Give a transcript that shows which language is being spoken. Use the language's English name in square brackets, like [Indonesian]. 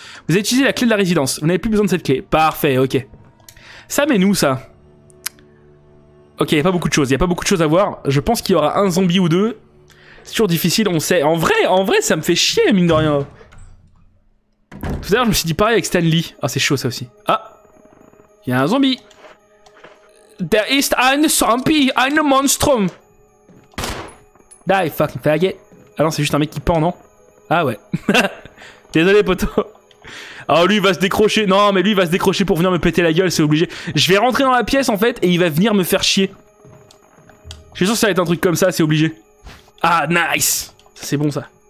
[French] Vous avez utilisé la clé de la résidence. Vous n'avez plus besoin de cette clé. Parfait, ok. Ça, mais nous, ça. Ok, y a pas beaucoup de choses. Y a pas beaucoup de choses à voir. Je pense qu'il y aura un zombie ou deux. C'est toujours difficile, on sait. En vrai, ça me fait chier, mine de rien. Tout à l'heure, je me suis dit pareil avec Stan Lee. Ah, oh, c'est chaud, ça aussi. Ah, y a un zombie. [English] There is a zombie, a monster. Die, fucking faggot. [French] Ah non, c'est juste un mec qui pend, non? Ah ouais. Désolé, poteau. Oh, lui, il va se décrocher. Non, mais lui, il va se décrocher pour venir me péter la gueule, c'est obligé. Je vais rentrer dans la pièce, en fait, et il va venir me faire chier. Je suis sûr que ça va être un truc comme ça, c'est obligé. Ah, nice. C'est bon, ça.